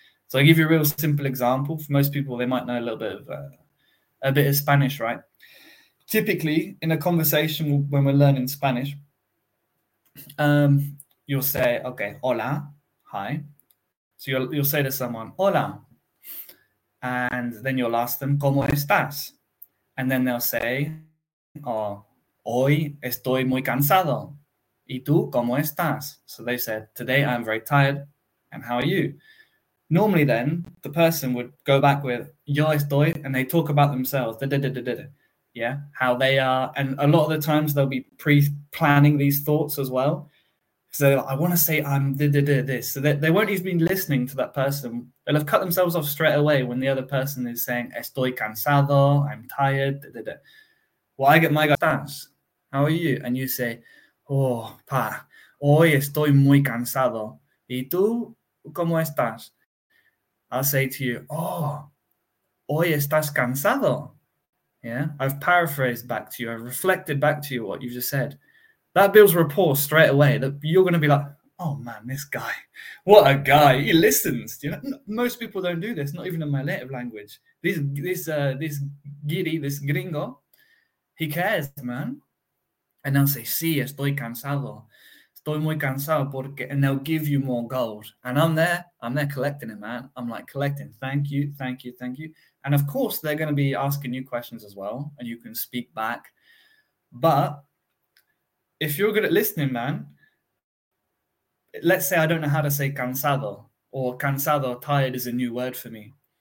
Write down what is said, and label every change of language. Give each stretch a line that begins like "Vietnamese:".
English: So I give you a real simple example. For most people, they might know a bit of Spanish, right? Typically, in a conversation when we're learning Spanish, you'll say, okay, hola, hi. So you'll say to someone, hola. And then you'll ask them,
Spanish: ¿cómo estás?
English: And then they'll say, oh,
Spanish: hoy estoy muy cansado. ¿Y tú cómo estás?
English: So they said, today I'm very tired. And how are you? Normally then, the person would go back with,
Spanish: yo estoy,
English: and they talk about themselves. Yeah, how they are. And a lot of the times they'll be pre-planning these thoughts as well. So I want to say I'm this. So they won't even be listening to that person. They'll have cut themselves off straight away when the other person is saying,
Spanish: estoy cansado,
English: I'm tired. Well, I get my guys, how are you? And you say, oh,
Spanish: pa, hoy estoy muy cansado. ¿Y tú cómo estás?
English: I'll say to you, oh,
Spanish: hoy estás cansado.
English: Yeah, I've paraphrased back to you. I've reflected back to you what you've just said. That builds rapport straight away. That you're going to be like, oh man, this guy, what a guy. He listens. You know, most people don't do this, not even in my native language. This giri, this gringo, he cares, man. And they'll say,
Spanish: sí, estoy cansado. Estoy muy cansado porque,
English: and they'll give you more gold. And I'm there collecting it, man. I'm like collecting. Thank you, thank you, thank you. And of course, they're going to be asking you questions as well, and you can speak back. But if you're good at listening, man, let's say I don't know how to say cansado, or cansado, tired, is a new word for me.